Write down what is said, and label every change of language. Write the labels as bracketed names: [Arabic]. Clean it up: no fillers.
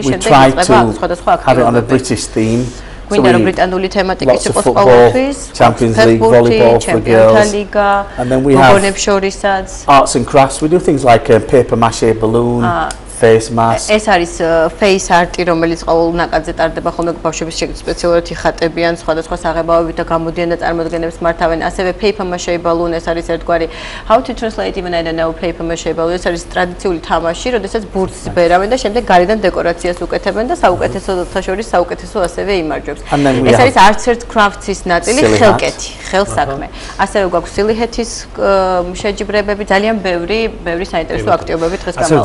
[English] We try to have it on a British theme. Lots of football, Champions League, volleyball for girls, and then we have arts and crafts. We do things like paper mache balloon, face mask. [Georgian] ეს არის face art, რომელიც ყოველ ნაკადზე ტარდება ხოლმე ბავშვების სპეციალურად ხატებიან სხვადასხვა საღებავებით და გამოდიან და წარმოდგენებს მართავენ. ასევე paper mache balloon, ეს არის ერთგვარი. [English] How to translate even I don't know paper mache balloon. [Georgian] ეს არის ტრადიციული თამაში, როდესაც ბურთს ბერავენ და შემდეგ გარედან დეკორაციას უკეთებენ და საუკეთესოთა შორის საუკეთესო ასევე იმარჯვებს. ეს არის arts and crafts-ის ნაწილი, ხელკეთი, ხელსაქმე. ასევე გვაქვს სილიჰეთის შეჯიბრებები, ძალიან ბევრი, ბევრი საინტერესო აქტივობები დღეს გამოვიყენებთ.